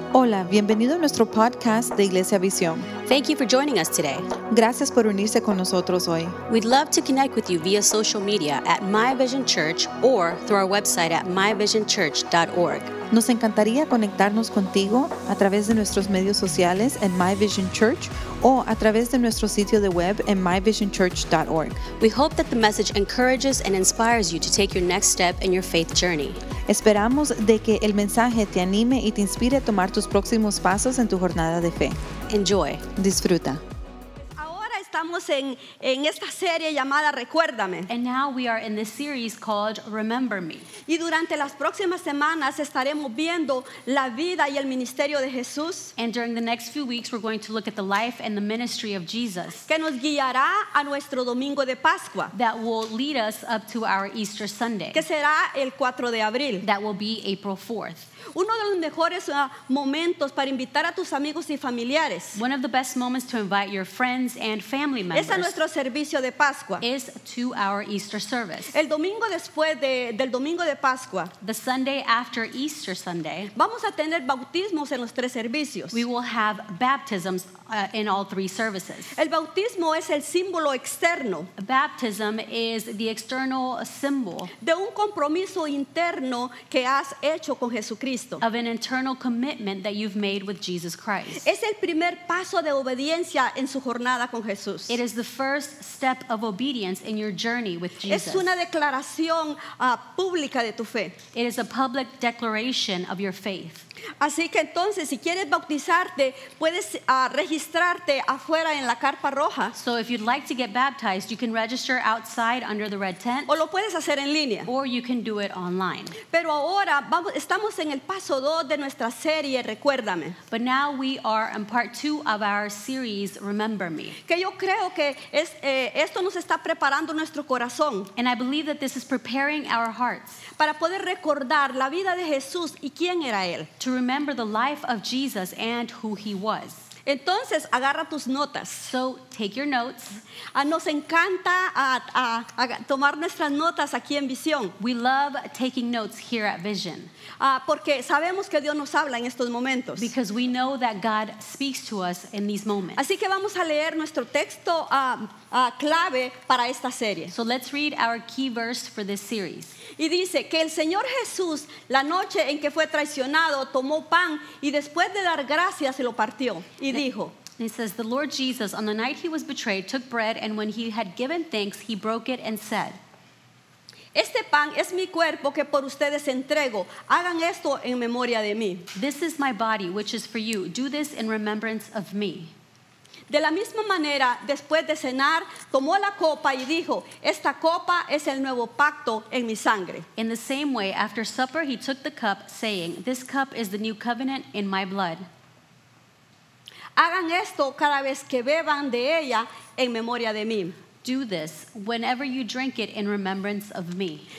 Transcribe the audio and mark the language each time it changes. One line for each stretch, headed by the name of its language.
Spanish: Hola, bienvenido a nuestro podcast de Iglesia Visión.
English: Thank you for joining us today.
Spanish: Gracias por unirse con nosotros hoy.
English: We'd love to connect with you via social media at My Vision Church or through our website at myvisionchurch.org.
Spanish: Nos encantaría conectarnos contigo a través de nuestros medios sociales en My Vision Church o a través de nuestro sitio de web en myvisionchurch.org.
English: We hope that the message encourages and inspires you to take your next step in your faith journey.
Spanish: Esperamos de que el mensaje te anime y te inspire a tomar tus próximos pasos en tu jornada de fe.
English: Enjoy.
Spanish: Disfruta. Ahora estamos en esta serie llamada Recuérdame.
English: And now we are in this series called Remember Me.
Spanish: Y durante las próximas semanas estaremos viendo la vida y el ministerio de Jesús.
English: And during the next few weeks we're going to look at the life and the ministry of Jesus.
Spanish: Que nos guiará a nuestro domingo de Pascua.
English: That will lead us up to our Easter Sunday.
Spanish: Que será el 4 de abril.
English: That will be April 4th.
Spanish: Uno de los mejores momentos para invitar a tus amigos y familiares.
English: One of the best moments to invite your friends and family members.
Spanish: Es a nuestro servicio de Pascua.
English: Is to our Easter service.
Spanish: El domingo después del domingo de Pascua.
English: The Sunday after Easter Sunday.
Spanish: Vamos a tener bautismos en los tres servicios.
English: We will have baptisms in all three services.
Spanish: El bautismo es el símbolo externo.
English: Baptism is the external symbol.
Spanish: De un compromiso interno que has hecho con Jesucristo.
English: Of an internal commitment that you've made with Jesus Christ.
Spanish: Es el primer paso de obediencia en su jornada con Jesús.
English: It is the first step of obedience in your journey with Jesus.
Spanish: Es una declaración pública de tu fe.
English: It is a public declaration of your faith.
Spanish: Así que entonces, si quieres bautizarte, puedes registrarte afuera en la carpa roja.
English: So if you'd like to get baptized, you can register outside under the red tent.
Spanish: O lo puedes hacer en línea.
English: Or you can do it online.
Spanish: Pero ahora estamos en el paso 2 de nuestra serie, Recuérdame.
English: But now we are in part 2 of our series, Remember Me.
Spanish: Que yo creo que esto nos está preparando nuestro corazón.
English: And I believe that this is preparing our hearts.
Spanish: Para poder recordar la vida de Jesús y quién era Él.
English: To remember the life of Jesus and who he was.
Spanish: Entonces, agarra tus notas.
English: So, take your notes.
Spanish: Nos encanta tomar nuestras notas aquí en Visión.
English: We love taking notes here at Vision.
Spanish: Porque sabemos que Dios nos habla en estos momentos.
English: Because we know that God speaks to us in these moments.
Spanish: Así que vamos a leer nuestro texto clave para esta serie.
English: So let's read our key verse for this series.
Spanish: Y dice que el Señor Jesús, la noche en que fue traicionado, tomó pan y después de dar gracias se lo partió y dijo.
English: And it says, the Lord Jesus, on the night he was betrayed, took bread, and when he had given thanks, he broke it and said,
Spanish: este pan es mi cuerpo que por ustedes entrego. Hagan esto en memoria de mí.
English: This is my body, which is for you. Do this in remembrance of me.
Spanish: De la misma manera, después de cenar, tomó la copa y dijo, esta copa es el nuevo pacto en mi sangre.
English: In the same way, after supper, he took the cup, saying, this cup is the new covenant in my blood.
Spanish: Hagan esto cada vez que beban de ella en memoria de mí.
English: Do this whenever you drink it in remembrance of me.